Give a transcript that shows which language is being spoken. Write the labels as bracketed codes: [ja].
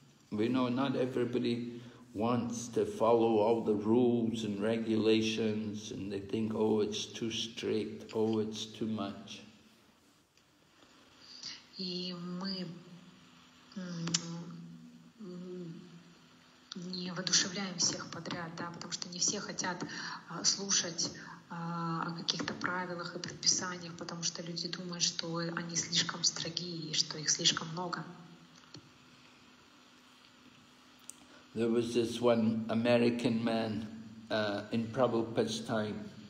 [en] We know not everybody wants to follow all the rules and regulations, and they think, oh, it's too strict, oh, it's too much. [ru] И мы не воодушевляем всех подряд, да, потому что не все хотят слушать о каких-то правилах и предписаниях, потому что люди думают, что они слишком строги и что их слишком много. [en] There was this one American man in Prabhupada's time.